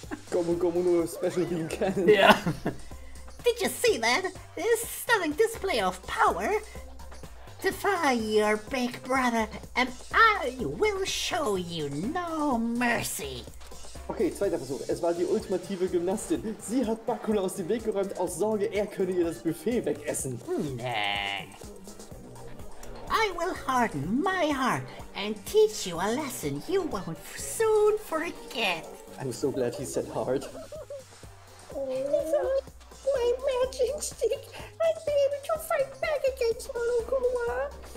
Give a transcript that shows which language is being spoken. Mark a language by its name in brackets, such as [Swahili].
[English] Gomu Gomu no special beam cannon. Yeah. Did you see that? This stunning display of power. Defy your big brother, and I will show you no mercy. [German] Okay, zweiter Versuch. Es war die ultimative Gymnastin. Sie hat Bakula aus dem Weg geräumt, aus Sorge, er könne ihr das Buffet wegessen. Nee. [English] I will harden my heart and teach you a lesson you won't soon forget. I'm so glad he said hard. My magic stick! I'd be able to fight back against Monokuma!